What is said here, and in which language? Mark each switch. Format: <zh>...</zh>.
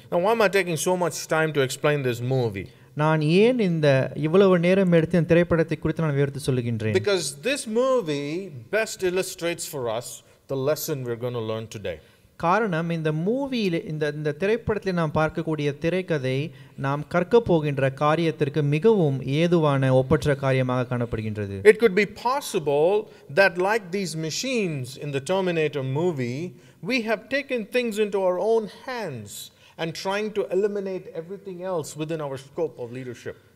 <en>Now why am I taking so much time to explain this movie?</en> <ta>நான் ஏன் இந்த இவ்வளவு நேரம் எடுத்து இந்த திரைப்படத்தை குறித்து நான் விவரித்து சொல்கின்றேன்?</ta> <en>Because this movie best illustrates for us the lesson we're going to learn today.</en> <ta>காரணம் இந்த மூவியில் இந்த திரைப்படத்தில் நாம் பார்க்கக்கூடிய திரைக்கதை நாம் கற்க போகின்ற காரியத்திற்கு மிகவும் ஏதுவான ஒப்பற்ற காரியமாக காணப்படுகின்றது.</ta> <en>It could be possible that like these machines in the Terminator movie, we have taken things into our own hands and trying to eliminate everything else within our scope of leadership.</en>